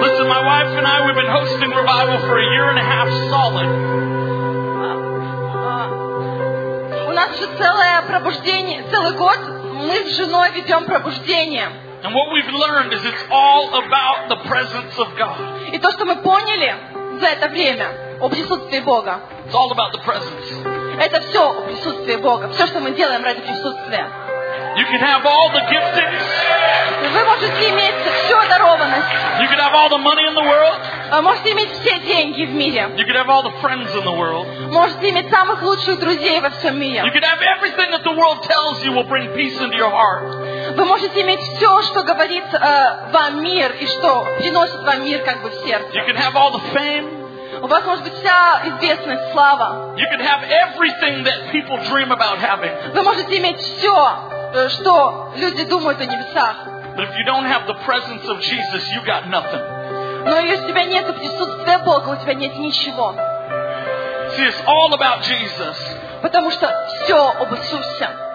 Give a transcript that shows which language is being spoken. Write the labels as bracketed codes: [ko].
[en] Listen, my wife and I, we've been hosting revival for a year and a half solid. [ru] У нас же целое пробуждение, целый год мы с женой ведем пробуждение. [en] And what we've learned is it's all about the presence of God. [ru] И то, что мы поняли за это время о присутствии Бога. [en] It's all about the presence. [ru] Это все о присутствии Бога. Все, что мы делаем ради присутствия. [en] You can have all the giftings. [ru] Вы можете иметь всю одарованность. [en] You can have all the money in the world. [ru] Можете иметь все деньги в мире. [en] You can have all the friends in the world. [ru] Можете иметь самых лучших друзей во всем мире. [en] You can have everything that the world tells you will bring peace into your heart. [ru] Вы можете иметь все, что говорит вам мир и что приносит вам мир как бы в сердце. [en] You can have all the fame. [ru] У вас может быть вся известность, слава. [en] You can have everything that people dream about having. [ru] Вы можете иметь все, что люди думают о небесах. [en] But if you don't have the presence of Jesus, you got nothing. [ru] Но если у тебя нет присутствия Бога, у тебя нет ничего. [en] See, it's all about Jesus. [ru] Потому что все об Иисусе.